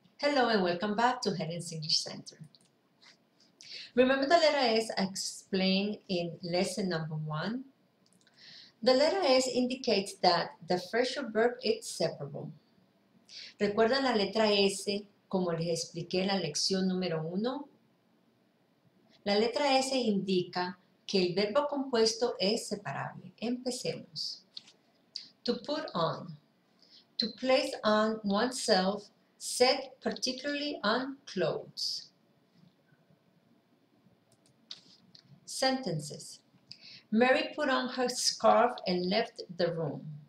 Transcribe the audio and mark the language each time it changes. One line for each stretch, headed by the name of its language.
English: Hello and welcome back to Helen's English Center. Remember the letter S I explained in lesson number one? The letter S indicates that the fresher verb is separable.
Spanish: ¿Recuerdan la letra S como les expliqué en la lección número uno? La letra S indica que el verbo compuesto es separable. Empecemos.
English: To put on. To place on oneself, set particularly on clothes. Sentences. Mary put on her scarf and left the room.